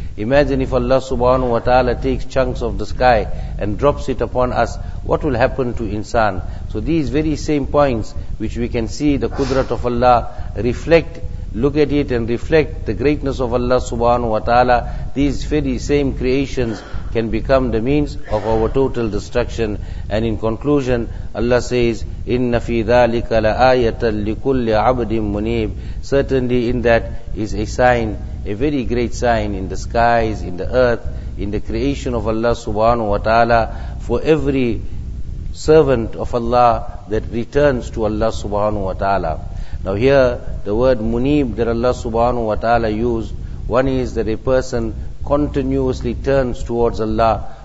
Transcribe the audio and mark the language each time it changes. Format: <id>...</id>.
<en>Imagine if Allah subhanahu wa ta'ala takes chunks of the sky and drops it upon us, what will happen to insan? So these very same points which we can see the qudrat of Allah, reflect, look at it and reflect the greatness of Allah subhanahu wa ta'ala, these very same creations can become the means of our total destruction. And in conclusion, Allah says,</en> <ar>إِنَّ فِي ذَٰلِكَ لَآيَةً لِكُلِّ عَبْدٍ مُنِيبٍ.</ar> <en>Certainly in that is a sign, a very great sign in the skies, in the earth, in the creation of Allah subhanahu wa ta'ala, for every servant of Allah that returns to Allah subhanahu wa ta'ala. Now here, the word munib that Allah subhanahu wa ta'ala used, one is that a person continuously turns towards Allah.</en>